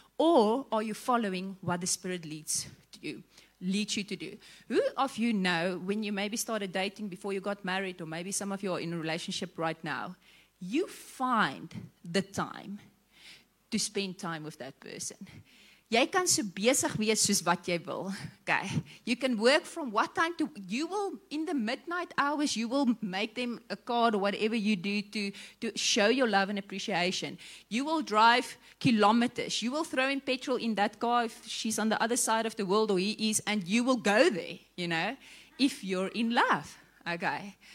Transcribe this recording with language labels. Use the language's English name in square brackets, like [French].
[English] Or are you following what the Spirit leads you to do? Who of you know, when you maybe started dating before you got married, or maybe some of you are in a relationship right now, you find the time to spend time with that person? [Afrikaans] Jy kan so besig wees soos wat jy wil. [English] Okay. You can work from what time to, you will, in the midnight hours, you will make them a card or whatever you do to show your love and appreciation. You will drive kilometers. You will throw in petrol in that car if she's on the other side of the world or he is, and you will go there, you know, if you're in love. Okay.